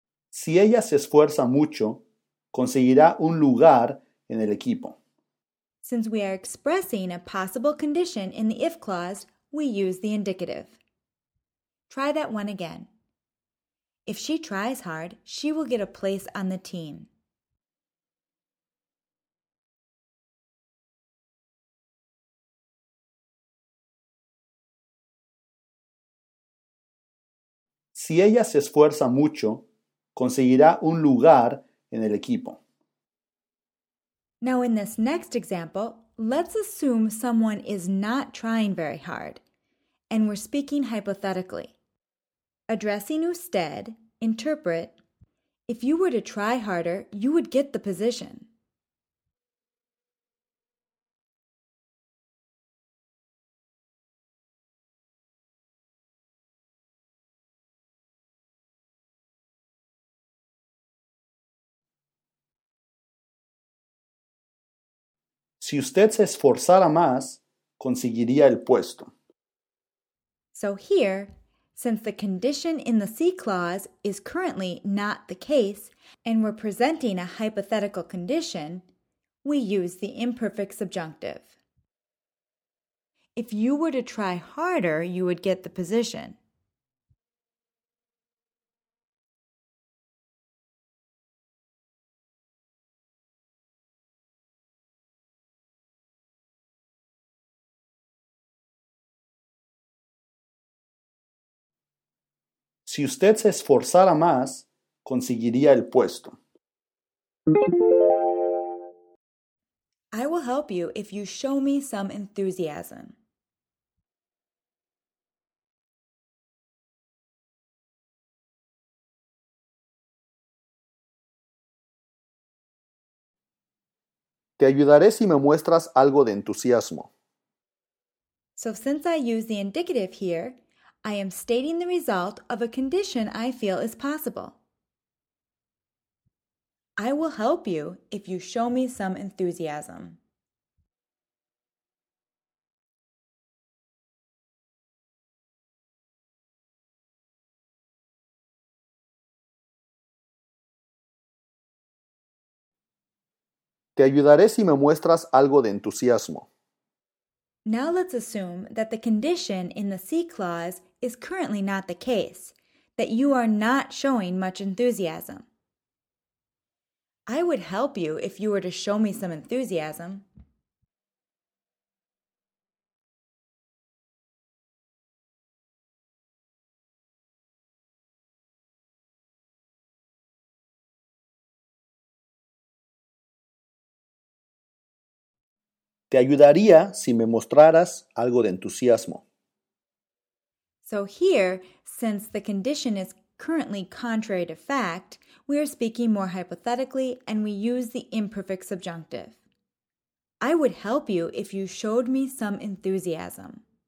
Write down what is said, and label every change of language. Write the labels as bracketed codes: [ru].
[es] Si ella se esfuerza mucho, conseguirá un lugar en el equipo. [en] Since we are expressing a possible condition in the if clause, we use the indicative. Try that one again. If she tries hard, she will get a place on the team. [es] Si ella se esfuerza mucho, conseguirá un lugar en el equipo. [en] Now in this next example, let's assume someone is not trying very hard, and we're speaking hypothetically. Addressing usted, interpret, if you were to try harder, you would get the position. [es] Si usted se esforzara más, conseguiría el puesto. [en] So here, since the condition in the C clause is currently not the case, and we're presenting a hypothetical condition, we use the imperfect subjunctive. If you were to try harder, you would get the position. [es] Si usted se esforzara más, conseguiría el puesto. [en] I will help you if you show me some enthusiasm. [es] Te ayudaré si me muestras algo de entusiasmo. [en] So since I use the indicative here, I am stating the result of a condition I feel is possible. I will help you if you show me some enthusiasm. [es] Te ayudaré si me muestras algo de entusiasmo. [en] Now let's assume that the condition in the C clause is currently not the case, that you are not showing much enthusiasm. I would help you if you were to show me some enthusiasm. [es] Te ayudaría si me mostraras algo de entusiasmo. [en] So here, since the condition is currently contrary to fact, we are speaking more hypothetically and we use the imperfect subjunctive. I would help you if you showed me some enthusiasm.